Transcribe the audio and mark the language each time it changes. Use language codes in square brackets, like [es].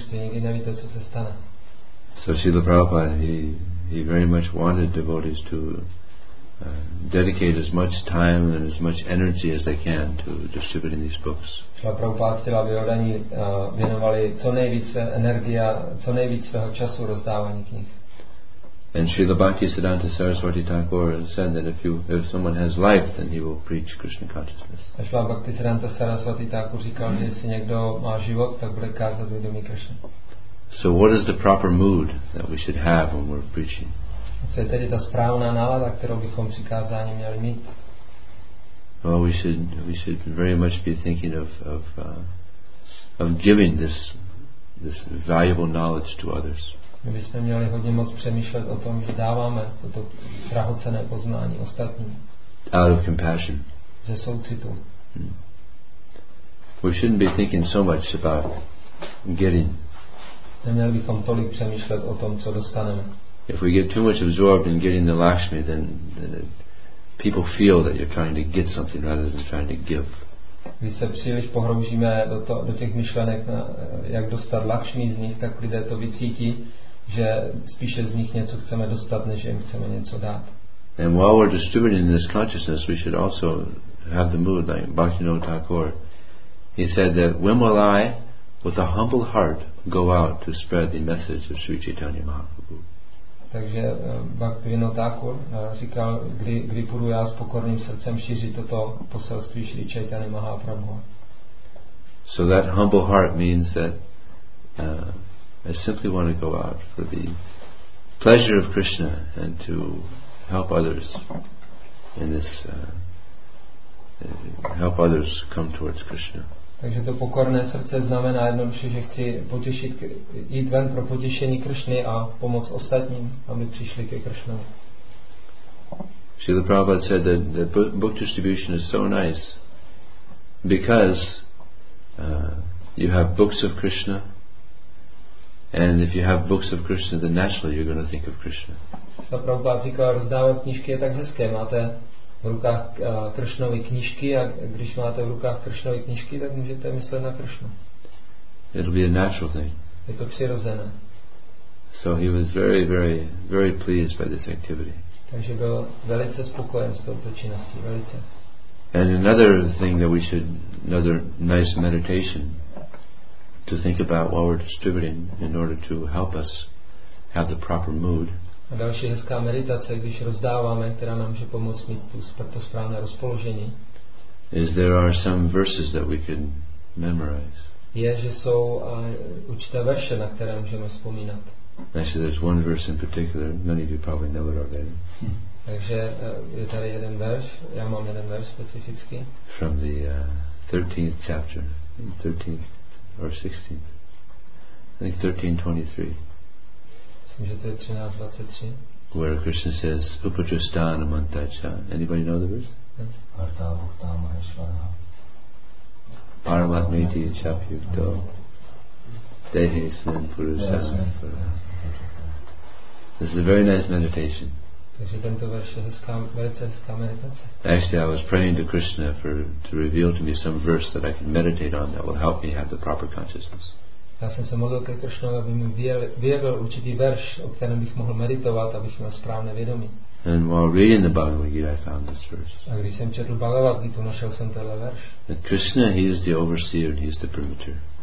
[en] So Srila Prabhupada, he very much wanted devotees to dedicate as much time and as much energy as they can to distributing these books. [cs] Srila Prabhupada chtěl, aby oni věnovali co nejvíce energie, co nejvíce svého času rozdávání knih. [en] And Srila Bhakti Siddhanta Saraswati Thakur said that if someone has life, then he will preach Krishna consciousness. [cs] A Srila Bhakti Siddhanta Saraswati Thakur říkal, že jestli někdo má život, tak bude kázat vědomí Krishna. [en] So what is the proper mood that we should have when we're preaching? [cs] Co je tedy ta správná nálada, kterou bychom při kázání měli mít? [en] Well, we should very much be thinking of giving this valuable knowledge to others. [cs] My bychom měli hodně moc přemýšlet o tom, že dáváme toto drahocenné poznání ostatním. [en] Out of compassion. [cs] Ze soucitu. [en] We shouldn't be thinking so much about getting. [cs] Neměli bychom tolik přemýšlet o tom, co dostaneme. [en] If we get too much absorbed in getting the Lakshmi, then people feel that you're trying to get something rather than trying to give. [cs] Když se příliš pohroužíme do těch myšlenek, jak dostat Lakshmi z nich, tak lidé to vycítí, že spíše z nich něco chceme dostat, než jim chceme něco dát. [en] And while we're distributing this consciousness, we should also have the mood like Bhaktivinoda Thakur. He said that when will I, with a humble heart, go out to spread the message of Sri Chaitanya Mahaprabhu? [cs] Takže Bhaktivinoda Thakur říkal, kdy půjdu já s pokorným srdcem šířit toto poselství Sri Chaitanya Mahaprabhu. [en] So that humble heart means that I simply want to go out for the pleasure of Krishna and to help others in this help others come towards Krishna. [cs] Takže to pokorné srdce znamená jednoduše, že chci potěšit, jít ven pro potěšení Krishny a pomoc ostatním, aby přišli ke Krishna. [en] Srila Prabhupada said that the book distribution is so nice because you have books of Krishna. And if you have books of Krishna, then naturally you're going to think of Krishna. [cs] Srila Prabhupada říkal, rozdávat knížky je tak hezké. Máte v rukách Krishnovy knížky a když máte v rukách Krishnovy knížky, tak můžete myslet na Krishnu. [en] It'll be a natural thing. [cs] Je to přirozené. [en] So he was very, very, very pleased by this activity. [cs] Takže byl velice spokojen s touto činností, velice. [en] And another thing that we should, another nice meditation to think about while we're distributing in order to help us have the proper mood. [cs] A další hezká meditace, když rozdáváme, která nám může pomoct mít to správné rozpoložení. [en] Is there are some verses that we can memorize. [cs] Je, že jsou určité verše, na které můžeme vzpomínat. [en] Actually, there's one verse in particular. Many of you probably know it already. [cs] Takže je tady jeden verš. Já mám jeden verš specificky. [en] From the 13th chapter. 13th. Or 16th. I think 13:23. Where Krishna says, [sa] Upajustana Mantacha. [en] Anybody know the verse? [sa] Artha Bhukta Maheshwara. Paramatmiti Chapyukto. Dehe Sman Purusha. [en] This is a very nice meditation. Actually, I was praying to Krishna to reveal to me some verse that I can meditate on that will help me have the proper consciousness. [cs] Já jsem se modlil ke Krishnovi, aby mi vyjevil určitý verš, o kterém bych mohl meditovat, abych měl správné vědomí. [en] And while reading the Bhagavad Gita, I found this verse. [cs] A když jsem četl Bhagavad Gita, našel jsem tenhle verš. [en] That Krishna, he is the overseer, he is the permitter.